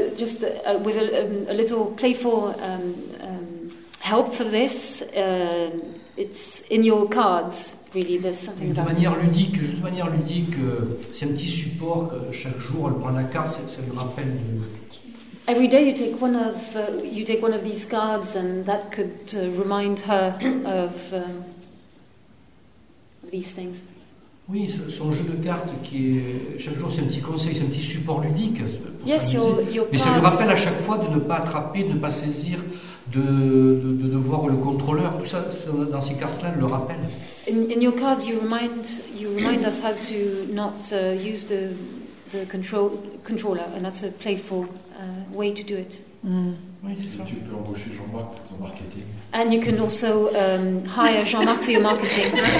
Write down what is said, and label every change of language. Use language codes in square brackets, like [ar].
[en] Just with a little playful help for this, it's in your cards, really. There's something [fr] de [en] about [fr] manière ludique, juste de manière ludique, c'est un petit support que chaque jour elle prend la carte, ça lui rappelle. De... [en] Every day you take one of these cards, and that could remind her of these things. [fr] Oui, son jeu de cartes qui est chaque jour c'est un petit conseil, c'est un petit support ludique. [en] Yes, your [fr] mais ça lui rappelle à chaque fois de ne pas attraper, de ne pas saisir, de voir le contrôleur. Tout ça dans ces cartes-là, elle le rappelle. [en] In your cards, you remind us how to not use the controller, and that's a playful way to do it. And you can also hire Jean-Marc for your marketing.